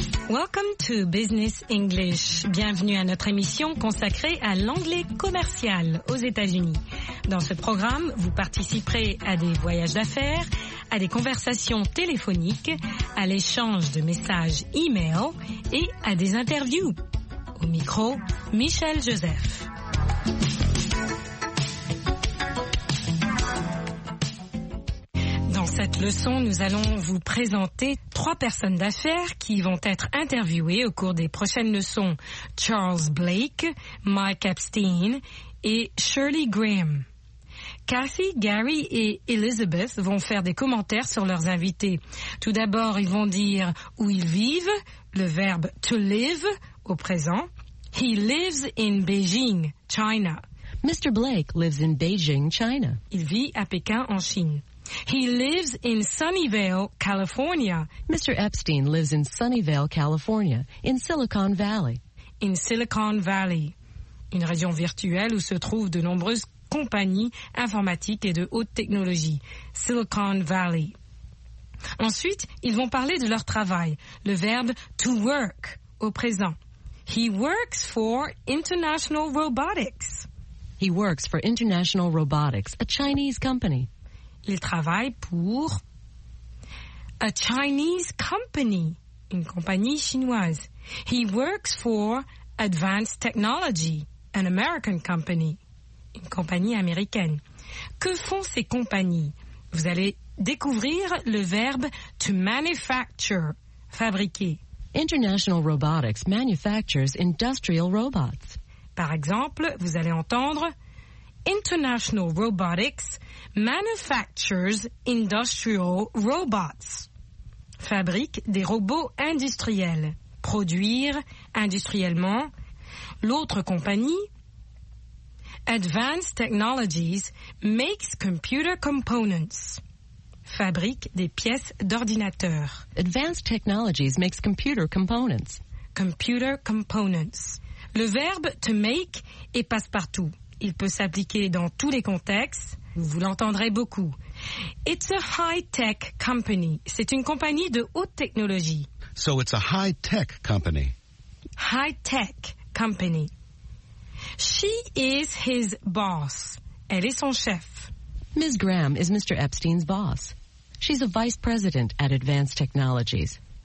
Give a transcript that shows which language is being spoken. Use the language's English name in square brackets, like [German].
[English] Welcome to Business English. [French] Bienvenue à notre émission consacrée à l'anglais commercial aux États-Unis. Dans ce programme, vous participerez à des voyages d'affaires, à des conversations téléphoniques, à l'échange de messages e-mail et à des interviews. Au micro, Michel Joseph. Cette leçon, nous allons vous présenter trois personnes d'affaires qui vont être interviewées au cours des prochaines leçons. Charles Blake, Mike Epstein et Shirley Graham. Kathy, Gary et Elizabeth vont faire des commentaires sur leurs invités. Tout d'abord, ils vont dire où ils vivent, le verbe to live au présent. [English] He lives in Beijing, China. Mr. Blake lives in Beijing, China. [French] Il vit à Pékin en Chine. [English] He lives in Sunnyvale, California. Mr. Epstein lives in Sunnyvale, California, in Silicon Valley. In Silicon Valley, [French] une région virtuelle où se trouvent de nombreuses compagnies informatiques et de haute technologie. Silicon Valley. Ensuite, ils vont parler de leur travail. Le verbe to work au présent. [English] He works for International Robotics. He works for International Robotics, a Chinese company. [French] Il travaille pour [English] a Chinese company, [French] une compagnie chinoise. [English] He works for Advanced Technology, an American company, [French] une compagnie américaine. Que font ces compagnies? Vous allez découvrir le verbe to manufacture, fabriquer. [English] International Robotics manufactures industrial robots. [French] Par exemple, vous allez entendre [English] International Robotics manufactures industrial robots. [French] Fabrique des robots industriels. Produire industriellement. L'autre compagnie, [English] Advanced Technologies makes computer components. [French] Fabrique des pièces d'ordinateur. [English] Advanced Technologies makes computer components. Computer components. [French] Le verbe to make est passe-partout. Il peut s'appliquer dans tous les contextes. Vous l'entendrez beaucoup. [English] It's a high-tech company. [French] C'est une compagnie de haute technologie. [English] So it's a high-tech company. High-tech company. She is his boss. [French] Elle est son chef. [English] Ms. Graham is Mr. Epstein's boss. She's a vice president at Advanced Technologies.